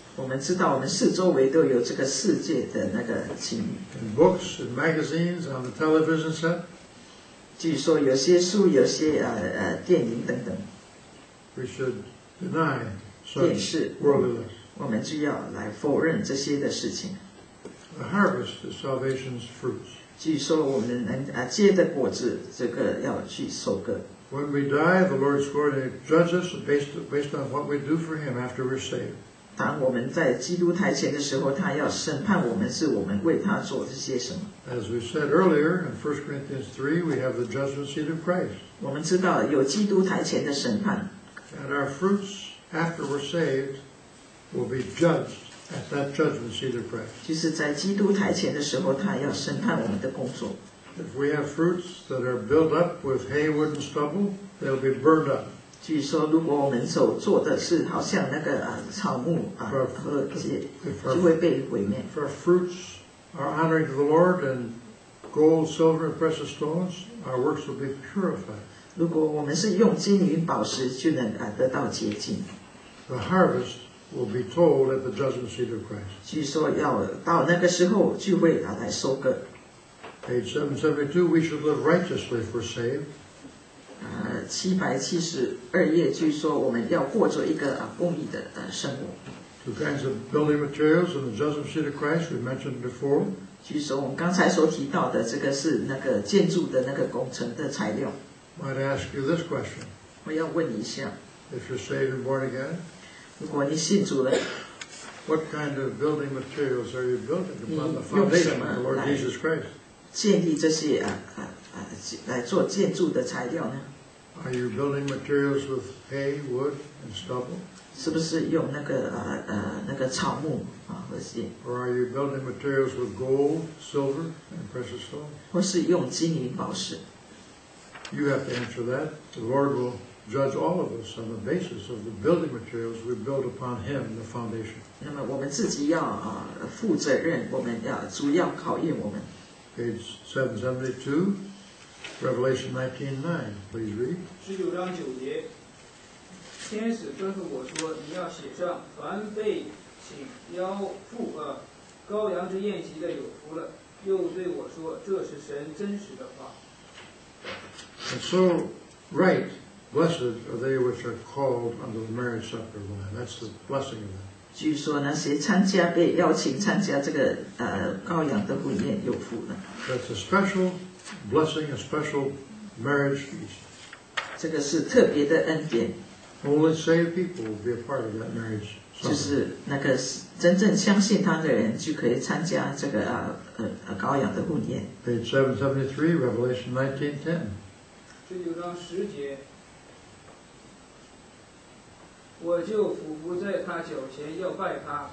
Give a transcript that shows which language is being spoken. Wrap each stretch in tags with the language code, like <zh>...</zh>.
<zh>我们知道我们四周围都有这个世界的那个情欲。</zh> <en>In books, in magazines, on the television set.</en> <zh>据说有些书，有些电影等等。</zh> <en>We should deny such worldly lusts.</en> <zh>我们就要来否认这些的事情。</zh> <en>The harvest is salvation's fruits.</en> <zh>据说我们能结的果子，这个要去收割。</zh> <en>When we die, the Lord's going to judge us based on what we do for Him after we're saved.</en> <zh>当我们在基督台前的时候，他要审判我们，是我们为他做这些什么。</zh> <en>As we said earlier in 1 Corinthians 3, we have the judgment seat of Christ.</en> <zh>我们知道有基督台前的审判。</zh> <en>And our fruits after we're saved will be judged. At that judgment seat of Christ.</en> <zh>就是在基督台前的时候，他要审判我们的工作。</zh> <en>If we have fruits that are built up with hay, wood, and stubble, they'll be burned up.</en> <zh>据说如果我们所做的是好像那个草木和秸，就会被毁灭。</zh> <en>If our fruits are honoring to the Lord and gold, silver, and precious stones, our works will be purified.</en> <zh>如果我们是用金银宝石，就能得到洁净。</zh> <en>The harvest will be told at the judgment seat of Christ.</en> <zh>据说要到那个时候聚会来收割。</zh> <en>Page 772, we should live righteously for saved.</en> <zh>772页据说我们要过着一个公义的生活。</zh> <en>Two kinds of building materials in the judgment seat of Christ we mentioned before.</en> <zh>据说我们刚才所提到的这个是那个建筑的那个工程的材料。</zh> <en>Might ask you this question.</en> <zh>我要问一下。</zh> <en>If you're saved and born again,</en> <zh>如果你信主了。</zh> <en>What kind of building materials are you building upon the foundation of the Lord Jesus Christ?</en> <zh>建立这些来做建筑的材料呢？</zh> <en>Are you building materials with hay, wood, and stubble?</en> <zh>是不是用那个那个草木和些？</zh> <en>Or are you building materials with gold, silver, and precious stone?</en> <zh>或是用金银宝石？</zh> <en>You have to answer that. The Lord will judge all of us on the basis of the building materials we build upon Him, the foundation.</en> <zh>那么我们自己要负责任，我们要主要考验我们。</zh> <en>Page 772, Revelation 19:9, please read.</en> <zh>十九章九节，天使吩咐我说，你要写上，凡被请邀赴羔羊之宴席的有福了。又对我说，这是神真实的话。</zh> <en>And so, write, blessed are they which are called unto the marriage supper of the Lamb. That's the blessing of them.</en> <zh>据说那些参加被邀请参加这个羔羊的婚宴有福了。</zh> <en>That's a special blessing, a special marriage feast.</en> <zh>这个是特别的恩典。</zh> <en>Only saved people will be a part of that marriage supper.</en> <zh>就是那个真正相信他的人就可以参加这个羔羊的婚宴。</zh> <en>Page 773, Revelation 19:10.</en> <zh>十九章十节，我就俯伏在他脚前要拜他。</zh>